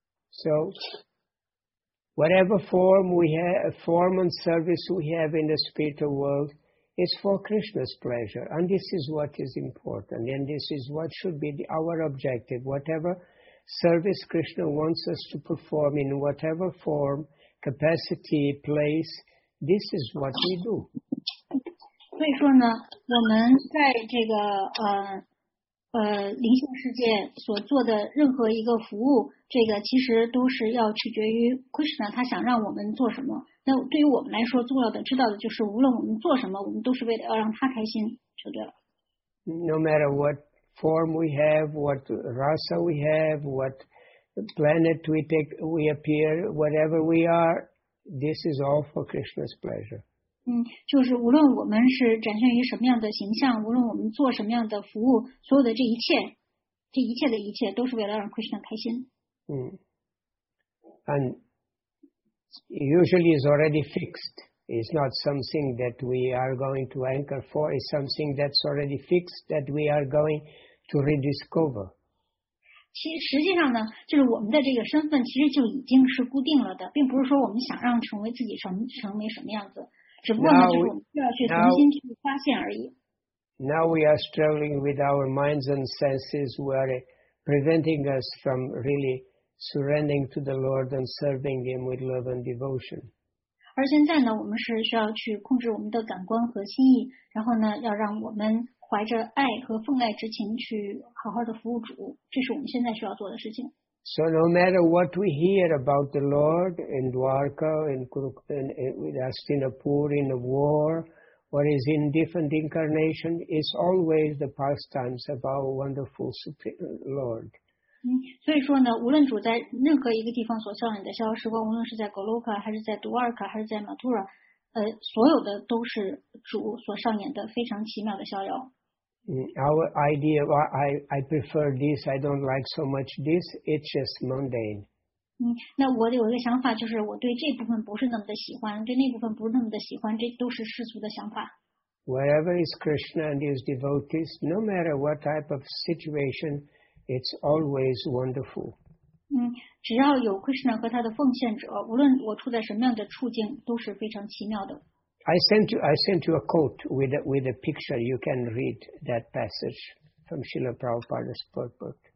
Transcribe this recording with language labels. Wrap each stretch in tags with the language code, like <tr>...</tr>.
<en>So whatever form we have, form and service we have in the spiritual world. It's for Krishna's pleasure, and this is what is important, and this is what should be our objective. Whatever service Krishna wants us to perform in whatever form, capacity, place, this is what we do.</en> <zh>所以说呢，我们在这个灵性世界所做的任何一个服务，这个其实都是要取决于 Krishna 他想让我们做什么。那对于我们来说，重要的、知道的就是，无论我们做什么，我们都是为了要让他开心，就对了。</zh> <en>No matter what form we have, what rasa we have, what planet we take, we appear, whatever we are, this is all for Krishna's pleasure.</en> <zh>就是无论我们是展现于什么样的形象，无论我们做什么样的服务，所有的这一切，这一切的一切，都是为了让 Krishna 开心。</zh> <en>And usually is already fixed. It's not something that we are going to anchor for. It's something that's already fixed that we are going to rediscover.</en> <zh>实际上呢，就是我们的这个身份其实就已经是固定了的，并不是说我们想让成为自己成为什么样子，只不过呢，就是我们需要去重新去发现而已。</zh> <en>Now we are struggling with our minds and senses who are preventing us from really surrendering to the Lord and serving Him with love and devotion.</en> <zh>而现在呢，我们是需要去控制我们的感官和心意，然后呢，要让我们怀着爱和奉爱之情去好好的服务主，这是我们现在需要做的事情。</zh> <en>So no matter what we hear about the Lord in Dwarka, in Hastinapur, in the war, or is in different incarnation, it's always the pastimes of our wonderful Supreme Lord.</en> <zh>所以说呢，无论主在任何一个地方所效力的逍遥时光，无论是在 Goloka 还是在 Dwarka 还是在 Mathura， 所有的都是主所上演的非常奇妙的逍遥。</zh> <en>Our idea, I prefer this, I don't like so much this, it's just mundane.</en> <zh>那我有一个想法，就是我对这部分不是那么的喜欢，对那部分不是那么的喜欢，这都是世俗的想法。</zh> <en>Wherever is Krishna and his devotees, no matter what type of situation, it's always wonderful.</en> <zh>只要有 Krishna 和他的奉献者，无论我处在什么样的处境，都是非常奇妙的。</zh> <en>I sent you a quote with a picture. You can read that passage from Srila Prabhupada's book.</en>